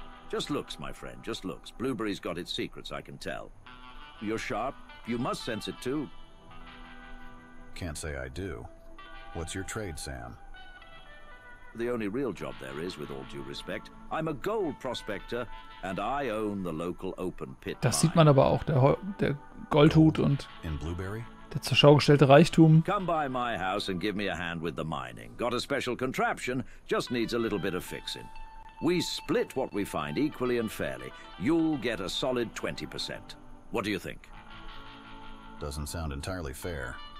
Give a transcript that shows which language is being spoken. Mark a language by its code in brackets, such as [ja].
[en] Just looks, my friend, just looks. Blueberry's got its secrets, I can tell. You're sharp. You must sense it too. Can't say I do. What's your trade, Sam? The only real job there is, with all due respect. I'm a gold prospector, and I own the local open pit. [de] Das sieht man aber auch, der Goldhut und [en] in Blueberry? [de] Der zur Schau gestellte Reichtum. [en] Come by my house and give me a hand with the mining. Got a special contraption, just needs a little bit of fixing. We split what we find equally and fairly. You'll get a solid 20%. What do you think? Doesn't sound entirely fair.